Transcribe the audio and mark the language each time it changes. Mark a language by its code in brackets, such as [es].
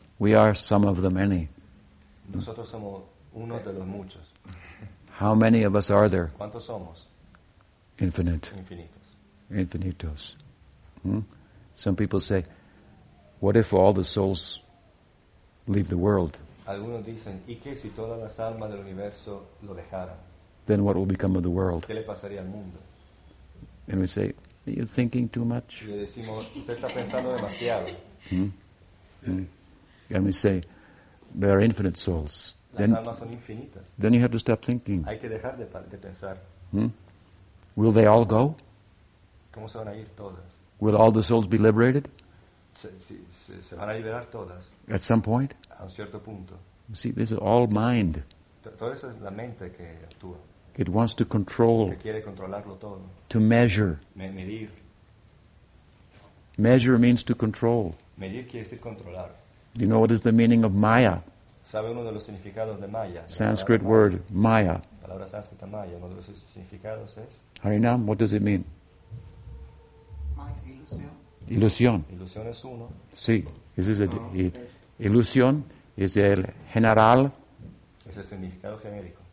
[en] We are some of the many. [es] Nosotros somos uno de los muchos. [en] How many of us are there? [es] ¿Cuántos somos? [en] Infinite. [es] Infinitos. [en] Some people say, what if all the souls leave the world? [es] Algunos dicen, ¿y qué si todas las almas del universo lo dejaran? [en] Then what will become of the world? [es] ¿Qué le pasaría al mundo? [en] And we say, are you thinking too much? [es] Y decimos, usted está pensando demasiado. [en] And we say, there are infinite souls. Then you have to stop thinking. [es] Hay que dejar de pensar. [en] Will they all go? [es] ¿Cómo se van a ir todas? [en] Will all the souls be liberated? [es] Se van a liberar todas. [en] At some point? [es] A un cierto punto. [en] You see, this is all mind. [es] Todo eso es la mente que actúa. [en] It wants to control. [es] Que quiere controlarlo todo. [en] To measure. [es] Medir. [en] Measure means to control. [es] Medir quiere decir controlar. [en] Do you know what is the meaning of Maya? [es] ¿Sabe uno de los significados de Maya? [en] Sanskrit word, Maya. [es] Palabra sánscrita Maya, uno de los significados es... [en] Harinam, what does it mean? [es] Maya, ilusión. Ilusión. Ilusión es uno. Sí. [en] This is [es] ilusión es el general... Es el significado genérico.